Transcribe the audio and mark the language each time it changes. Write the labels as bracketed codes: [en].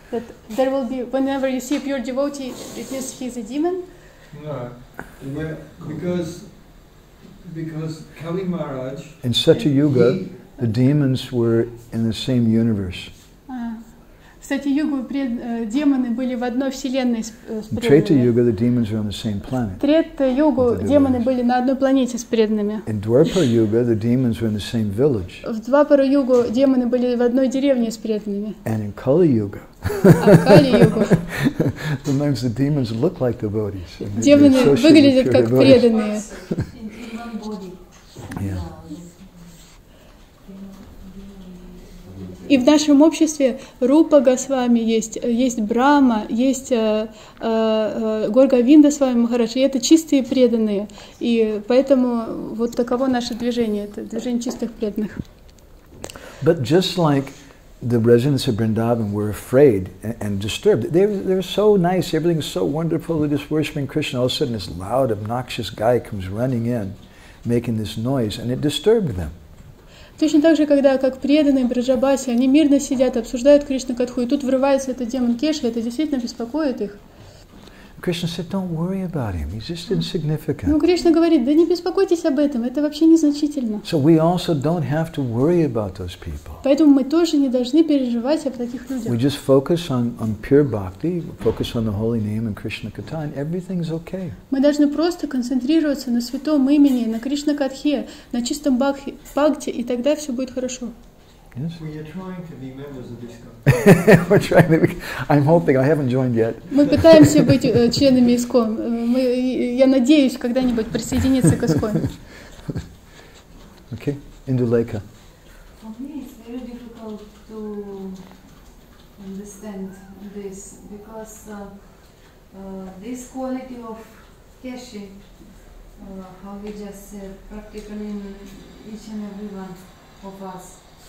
[en] That there will be, whenever you see a pure devotee, it means he's a demon? No. Well, because Kali Maharaj... In Satya Yuga, the demons were in the same universe. [ru] В Satya Yuga демоны были в одной вселенной с преданными. [en] In Treta Yuga, the demons were on the same planet. [ru] В Treta Yuga демоны были на одной планете с преданными. [en] In Dwapara Yuga, the demons were in the same village. [ru] В Dwapara Yuga демоны были в одной деревне с преданными. [en] And in Kali Yuga. Sometimes the demons look like devotees. [ru] Демоны выглядят как преданные. И в нашем обществе Рупа Госвами есть Брама, есть Гургавинда с вами Махарадж, и это чистые преданные. И поэтому вот таково наше движение, это движение чистых преданных. [en] But just like the residents of Vrindavan were afraid and disturbed, they're so nice, everything's so wonderful, they're just worshiping Krishna, all of a sudden this loud, obnoxious guy comes running in, making this noise, and it disturbed them. [ru] Точно так же, когда как преданные Браджабаси, они мирно сидят, обсуждают Кришну Катху, и тут врывается этот демон Кеша, это действительно беспокоит их. [en] Krishna said, "Don't worry about him. He's just insignificant." [ru] Ну, Кришна говорит, да не беспокойтесь об этом, это вообще незначительно. [en] So we also don't have to worry about those people. [ru] Поэтому мы тоже не должны переживать об таких людях. [en] We just focus on pure bhakti, focus on the holy name and Krishna Katha, and everything's okay. [ru] Мы должны просто концентрироваться на святом имени, на Кришна Катхе, на чистом бхакти, и тогда все будет хорошо. [en] Yes. We're trying to be members of ISKCON. I'm hoping. I haven't joined yet. [ru] Мы пытаемся быть членами ИСККОН. Я надеюсь когда-нибудь присоединиться к ИСККОН. [en] Okay, Induleka. For me, it's very difficult to understand this because this quality of Keshi, how we just said, practically in each and every one of us.